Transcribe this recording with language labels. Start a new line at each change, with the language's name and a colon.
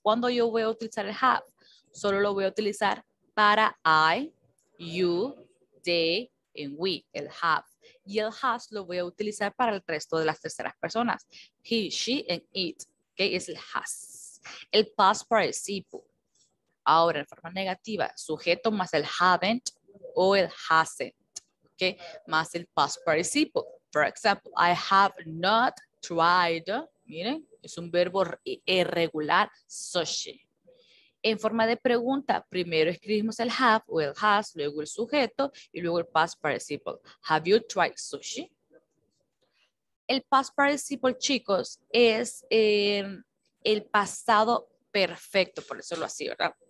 Spanish: Cuando yo voy a utilizar el have, solo lo voy a utilizar para
English: I, you, they, and we,
Spanish: el have. Y el has lo voy a utilizar para el resto de las terceras personas.
English: He, she, and it.
Spanish: Ok, es el has. El past participle. Ahora, en forma negativa, sujeto más el haven't o el hasn't. Okay. Más el past participle.
English: For example, I have not tried.
Spanish: Miren, es un verbo irregular, sushi. En forma de pregunta, primero escribimos el have o el has, luego el sujeto y luego el past participle.
English: Have you tried sushi?
Spanish: El past participle, chicos, es el pasado perfecto, por decirlo así, ¿verdad?